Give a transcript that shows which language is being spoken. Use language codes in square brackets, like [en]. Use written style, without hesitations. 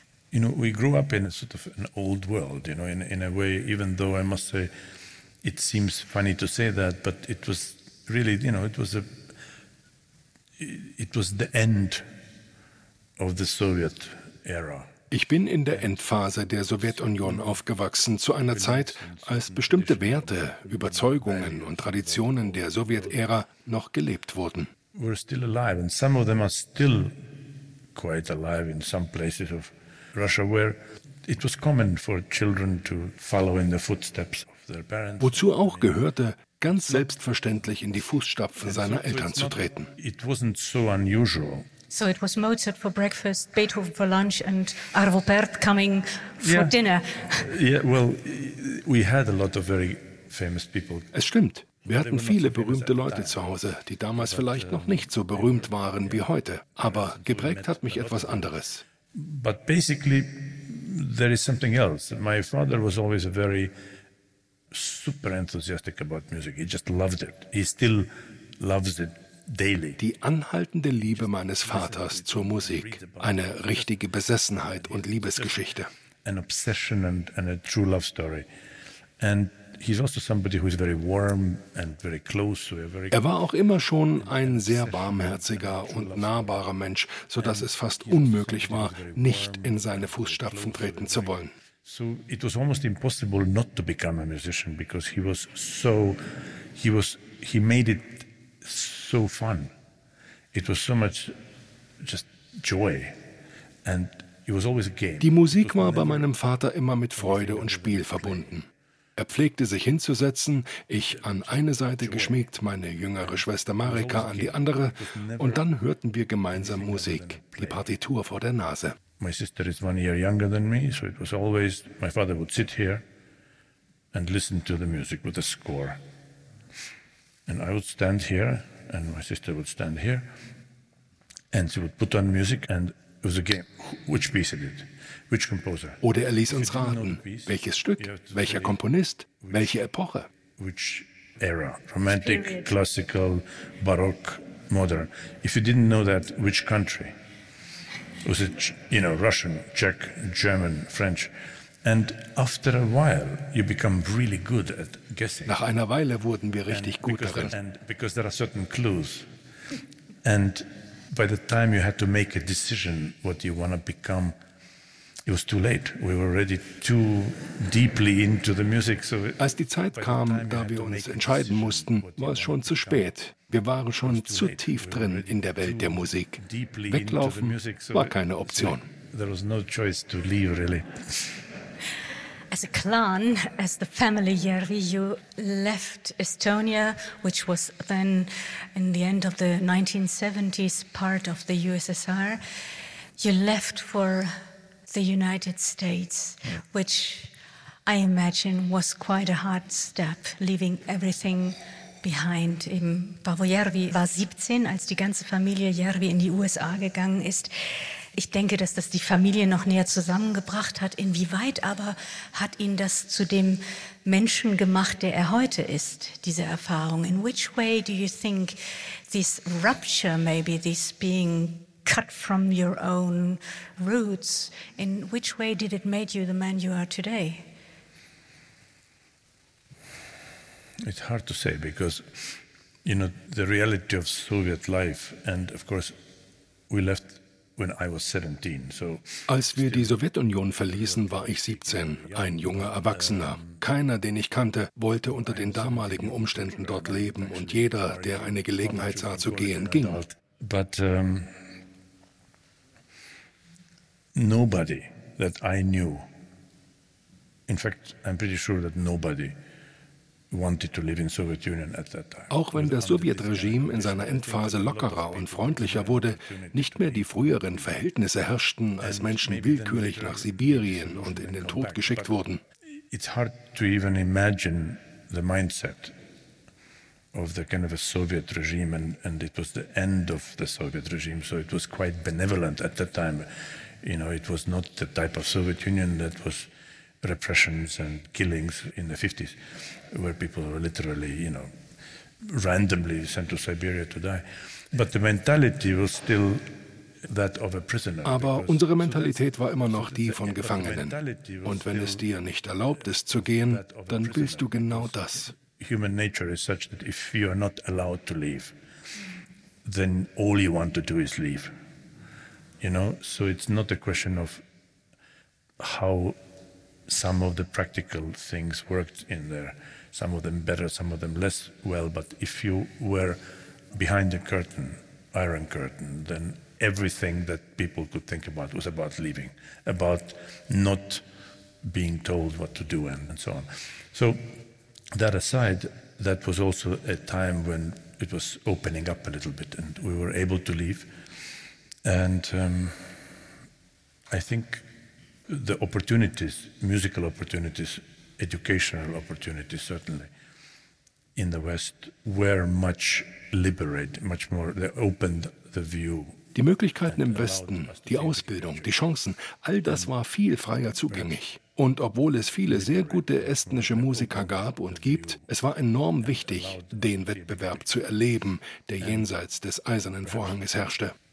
[en] You know, we grew up in a sort of an old world, you know, in a way, even though I must say... It seems funny to say that, but it was really, you know, it was the end of the Soviet era. [de] Ich bin in der Endphase der Sowjetunion aufgewachsen, zu einer Zeit, als bestimmte Werte, Überzeugungen und Traditionen der Sowjetära noch gelebt wurden. [en] We're still alive, and some of them are still quite alive in some places of Russia, where it was common for children to follow in the footsteps. [de] Wozu auch gehörte, ganz selbstverständlich in die Fußstapfen seiner Eltern zu treten. [en] It wasn't so unusual. So it was Mozart for breakfast, Beethoven for lunch and Arvo Pärt coming for dinner. Yeah, well, we had a lot of very famous people. [de] Es stimmt, wir hatten viele berühmte Leute zu Hause, die damals vielleicht noch nicht so berühmt waren wie heute. Aber geprägt hat mich etwas anderes. [en] But basically, there is something else. My father was always a very... super enthusiastic about music. He just loved it. He still loves it [de] Die anhaltende Liebe meines Vaters zur Musik, eine richtige Besessenheit und Liebesgeschichte. An obsession and a true love story. [en] And he's also somebody who is very warm and very close. [de] Er war auch immer schon ein sehr barmherziger und nahbarer Mensch, so dass es fast unmöglich war, nicht in seine Fußstapfen treten zu wollen. [en] So it was almost impossible not to become a musician because he made it so fun. It was so much just joy and it was always a game. [de] Die Musik war bei meinem Vater immer mit Freude und Spiel verbunden. Er pflegte sich hinzusetzen, ich an eine Seite geschmiegt, meine jüngere Schwester Marika an die andere, und dann hörten wir gemeinsam Musik, die Partitur vor der Nase. [en] My sister is 1 year younger than me, so it was always my father would sit here and listen to the music with the score. And I would stand here and my sister would stand here and she would put on music and it was a game. Which piece is it? Which composer? [de] Oder er ließ uns raten, welches Stück, welcher Komponist, welche Epoche. [en] Which era? Romantic, classical, baroque, modern. If you didn't know that, which country? Was it, you know, Russian, Czech, German, French? And after a while, you become really good at guessing. [de] Nach einer Weile wurden wir richtig gut darin. [en] Because there are certain clues. And by the time you had to make a decision what you want to become, it was too late. We were already too deeply into the music. So [de] als die Zeit kam, da wir uns entscheiden mussten, war es schon zu spät. Wir waren schon zu tief drin in der Welt der Musik. Weglaufen war keine Option. [en] There was no choice to leave, really. As a clan, as the family Järvi, you left Estonia, which was then in the end of the 1970s part of the USSR. You left for the United States, which I imagine was quite a hard step, leaving everything behind. [de] Paavo Järvi war 17, als die ganze Familie Järvi in die USA gegangen ist. Ich denke, dass das die Familie noch näher zusammengebracht hat. Inwieweit aber hat ihn das zu dem Menschen gemacht, der er heute ist, diese Erfahrung? [en] In which way do you think this rupture, maybe this being cut from your own roots, in which way did it make you the man you are today? It's hard to say because, you know, the reality of Soviet life, and of course, we left when I was 17. So [de] als wir die Sowjetunion verließen, war ich 17, ein junger Erwachsener. Keiner, den ich kannte, wollte unter den damaligen Umständen dort leben, und jeder, der eine Gelegenheit sah zu gehen, ging. [en] But nobody that I knew, in fact, I'm pretty sure that nobody wanted to live in Soviet Union at that time. [de] Auch wenn das Sowjetregime in seiner Endphase lockerer und freundlicher wurde, nicht mehr die früheren Verhältnisse herrschten, als Menschen willkürlich nach Sibirien und in den Tod geschickt wurden. [en] It's hard to even imagine the mindset of the kind of a Soviet regime, and it was the end of the Soviet regime, so it was quite benevolent at that time. You know, it was not the type of Soviet Union that was repressions and killings in the 50s, where people were literally, you know, randomly sent to Siberia to die. But the mentality was still that of a prisoner. [de] Aber unsere Mentalität war immer noch die von Gefangenen. Und wenn es dir nicht erlaubt ist zu gehen, dann willst du genau das. [en] Human nature is such that if you are not allowed to leave, then all you want to do is leave. You know, so it's not a question of how some of the practical things worked in there, some of them better, some of them less well, but if you were behind the curtain, iron curtain, then everything that people could think about was about leaving, about not being told what to do and so on. So that aside, that was also a time when it was opening up a little bit and we were able to leave. And I think the opportunities, musical opportunities, educational opportunities, certainly in the West, were much liberated, much more. They opened the view. [de] Die Möglichkeiten im Westen, die Ausbildung, die Chancen, all das war viel freier zugänglich. Und obwohl es viele sehr gute estnische Musiker gab und gibt, es war enorm wichtig, den Wettbewerb zu erleben, der jenseits des Eisernen Vorhanges herrschte.